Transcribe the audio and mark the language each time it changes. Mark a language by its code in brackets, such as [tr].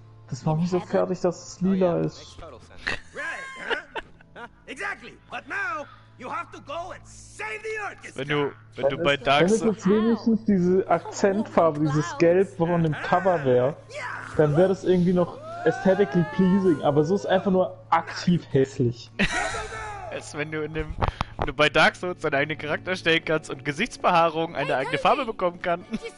[de] Das macht mich so fertig, dass es lila ist. [en] Right, huh? Exactly! But now! You have to go and save the orchestra. [de] Wenn du bei Dark Souls... Wenn es wenigstens diese Akzentfarbe, dieses Gelb von dem Cover wäre, dann wäre das irgendwie noch [en] aesthetically pleasing, [de] aber so ist einfach nur aktiv hässlich. Als wenn du in dem, wenn du bei Dark Souls deinen eigenen Charakter stellen kannst und Gesichtsbehaarung eine eigene Farbe bekommen kannst.